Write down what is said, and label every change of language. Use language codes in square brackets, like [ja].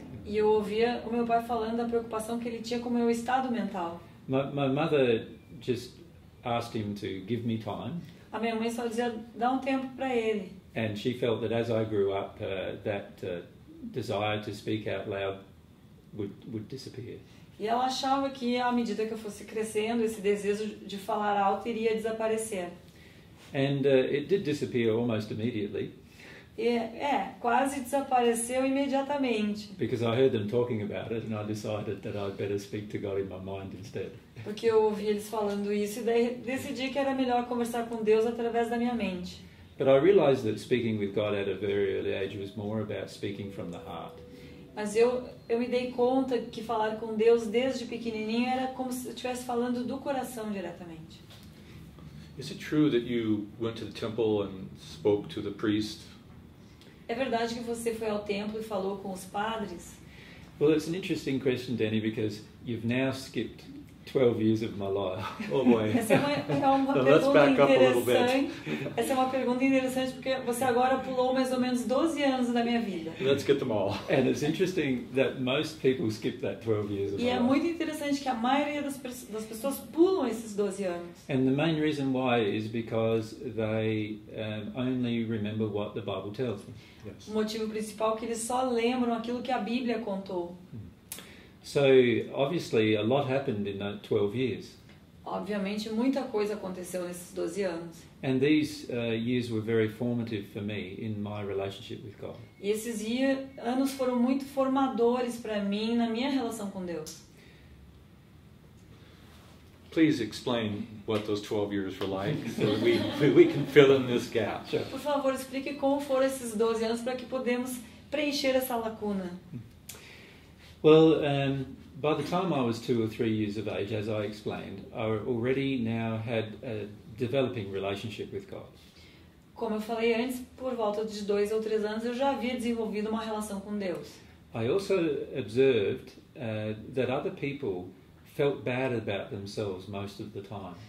[pt] E eu ouvia o meu pai falando da preocupação que ele tinha com o meu estado mental. [en] My mother just asked him to give me time. [pt] A minha mãe só dizia, dá tempo para ele. [en] And she felt that as I grew up, that desire to speak out loud would disappear. [pt] E ela achava que à medida que eu fosse crescendo, esse desejo de falar alto iria desaparecer. [en] And it did disappear almost immediately. [pt] Quase desapareceu imediatamente. [en] Because I heard them talking about it, and I decided that I'd better speak to God in my mind instead. [pt] Porque eu ouvi eles falando isso e daí decidi que era melhor conversar com Deus através da minha mente. [en] But I realized that speaking with God at a very early age was more about speaking from the heart. [pt] Mas eu me dei conta que falar com Deus desde pequenininho era como se eu estivesse falando do coração diretamente. [en] Is it true that you went to the temple and spoke to the priest? [pt] É verdade que você foi ao templo e falou com os padres? [en] Well, it's an interesting question, Danny, because you've now skipped 12 years of my life. Oh boy. Let's back up a little bit. [pt] Essa é uma pergunta interessante porque você agora pulou mais ou menos 12 anos da minha vida. [en] Let's get them all. And it's interesting that most people skip that 12 years of my life. [pt] E é muito interessante que a maioria das pessoas pulam esses 12 anos. [en] And the main reason why is because they only remember what the Bible tells them. [pt] O motivo principal é que eles só lembram aquilo que a Bíblia contou. [en] So obviously a lot happened in those 12 years. [pt] Obviamente muita coisa aconteceu nesses 12 anos. [en] And these years were very formative for me in my relationship with God. [pt] E esses anos foram muito formadores para mim na minha relação com Deus. [en] Please explain what those 12 years were like so we can fill in this gap. Sure. [pt] Por favor, explique como foram esses 12 anos para que podemos preencher essa lacuna. [en] Well, by the time I was 2 or 3 years of age, as I explained, I already now had a developing relationship with God. [pt] Como eu falei antes, por volta de 2 ou 3 anos, eu já havia desenvolvido uma relação com Deus. [en] I also observed that other people felt bad about themselves most of the time.